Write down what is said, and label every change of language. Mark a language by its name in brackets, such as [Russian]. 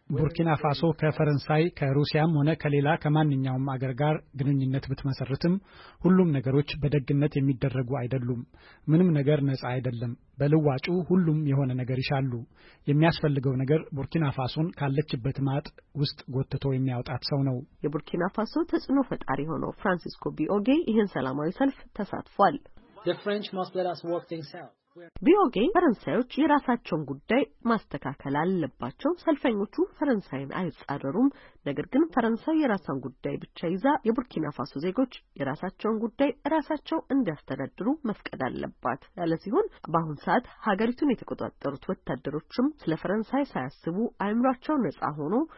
[Amharic] ቡርኪና ፋሶ ከፈረንሳይ ከሩሲያም ሆነ ከሌላ ከማንኛውም አገር ጋር ግንኙነት ብትመሰርትም ሁሉም ነገሮች በደግነት የሚደረጉ አይደሉም። ምንም ነገር ነጻ አይደለም። በልዋጩ ሁሉም የሆነ ነገር ይሻሉ። የሚያስፈልገው ነገር ቡርኪና ፋሶን ካለችበት ማጥ ውስጥ ጎትቶ የሚያወጣት ሰው ነው። የቡርኪና ፋሶ ተጽዕኖ ፈጣሪ ሆኖ ፍራንሲስኮ ቢኦጌ ይህን ሰላማዊ ሰልፍ ተሳትፏል። [English] The French must let us work things out. [Amharic] ቢኦጌ ፈረንሳዮች የራሳቸውን ጉዳይ ማስተካከል አለባቸው። ሰልፈኞቹ ፈረንሳይን አይጻረሩም፣ ነገር ግን ፈረንሳይ የራሳን ጉዳይ ብቻ ይዛ የቡርኪና ፋሶ ዜጎች የራሳቸውን ጉዳይ ራሳቸው እንዲያስተዳድሩ መፍቀድ አለባት ያለ ሲሆን በአሁን ሰዓት ሀገሪቱን የተቆጣጠሩት ወታደሮችም ስለ ፈረንሳይ ሳያስቡ አይምሯቸው ነጻ ሆኖ